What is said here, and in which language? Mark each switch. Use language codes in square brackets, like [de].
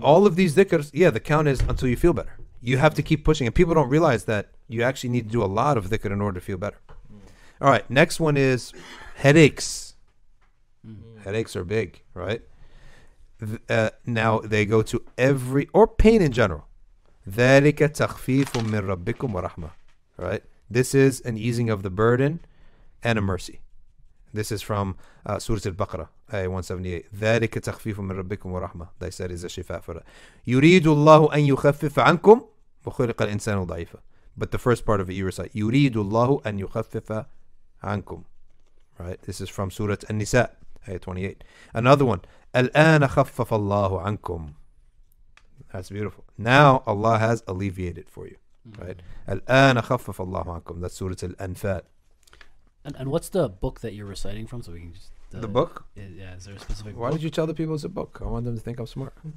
[en] all of these dhikrs, yeah, the count is until you feel better. You have to keep pushing. And people don't realize that you actually need to do a lot of dhikr in order to feel better. All right, next one is headaches. Headaches are big, right? Now they go to every, or pain in general. [ar] ذَلِكَ تَخْفِيفٌ مِّن رَبِّكُمْ وَرَحْمَةٌ [en] Right? This is an easing of the burden and a mercy. This is from Surah Al-Baqarah, ayah 178. [ar] ذَلِكَ تَخْفِيفٌ مِّن رَبِّكُمْ وَرَحْمَةٌ [en] They said is a shifa for that. [ar] يُرِيدُ اللَّهُ أَن يُخَفِّفَ عَنْكُمْ وَخُلِقَ الْإِنسَانُ ضَعِيفًا [en] But the first part of it you recite. [ar] يُرِيدُ اللَّهُ أَن يُخَفِّفَ عَنْكُمْ [en] Right? This is from Surah An-Nisa, ayah 28. Another one. [ar] الْآنَ خَفَّفَ اللَّهُ عَنْكُمْ [en] That's beautiful. Now Allah has alleviated for you. Right? [ar] الْآنَ خَفَّفَ اللَّهُ عَنْكُمْ [en] That's Surah Al-Anfal. And what's the book that you're reciting from? So we can just the book? Yeah, is there a specific book? Why did you tell the people it's a book? I want them to think I'm smart.